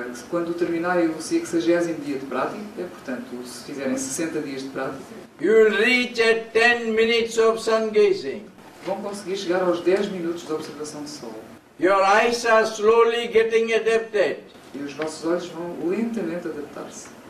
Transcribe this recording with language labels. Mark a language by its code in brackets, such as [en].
[pt] Quando terminarem o 60º dia de prática, portanto, se fizerem 60 dias de prática, [en] you will reach at 10 minutes of sun gazing. [pt] Vão conseguir chegar aos 10 minutos de observação de sol. [en] Your eyes are slowly getting adapted. [pt] E os vossos olhos vão lentamente adaptar-se.